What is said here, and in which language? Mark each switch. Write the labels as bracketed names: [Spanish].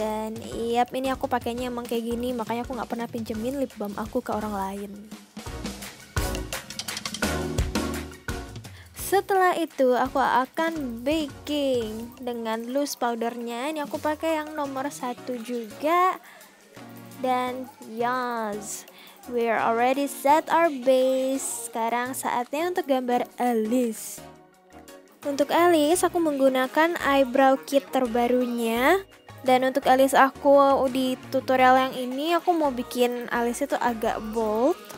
[Indonesian] Dan yep, ini aku pakainya emang kayak gini, makanya aku nggak pernah pinjemin lip balm aku ke orang lain. Setelah itu aku akan baking dengan loose powdernya. Ini aku pakai yang nomor 1 juga. [English] Dan yes, we are already set our base. [Indonesian] Sekarang saatnya untuk gambar alis. Untuk alis aku menggunakan eyebrow kit terbarunya. Dan untuk alis aku di tutorial yang ini, aku mau bikin alis itu agak bold.